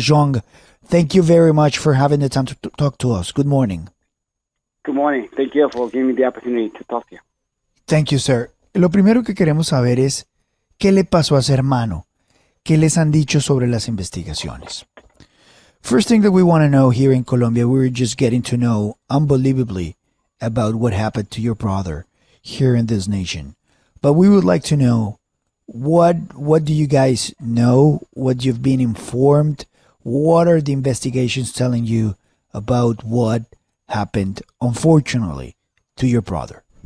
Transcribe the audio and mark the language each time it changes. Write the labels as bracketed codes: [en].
[en] Xiong, thank you very much for having the time to talk to us. Good morning. Good morning. Thank you for giving me the opportunity to talk to you. Thank you, sir. [es] Lo primero que queremos saber es, ¿qué le pasó a su hermano? ¿Qué les han dicho sobre las investigaciones? [en] First thing that we want to know here in Colombia, we're just getting to know unbelievably about what happened to your brother here in this nation. But we would like to know what do you guys know, what you've been informed, what are the investigations telling you about what happened, unfortunately, to your brother?